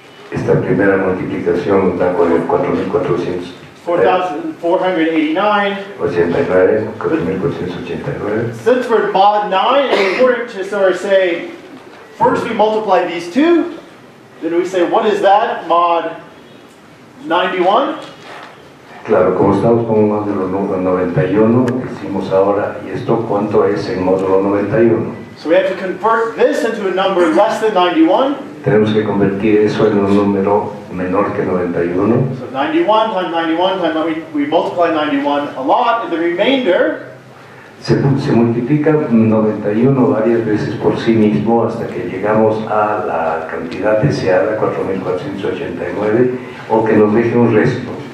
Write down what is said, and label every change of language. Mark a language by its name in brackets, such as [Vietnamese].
[Spanish] esta primera multiplicación da 4,489. [English] Since we're mod 9, it's important to sort of say first we multiply these two. Then we say, what is that, mod 91? [Spanish] Claro, como estamos con un módulo número 91, decimos ahora, ¿y esto cuánto es en módulo 91? [English] So we have to convert this into a number less than 91. [Spanish] Tenemos que convertir eso en un número menor que 91. [English] So 91 times 91 times, we multiply 91 a lot, and the remainder [Spanish] se multiplica 91 varias veces por sí mismo hasta que llegamos a la cantidad deseada, 4,489, o que nos deje un resto.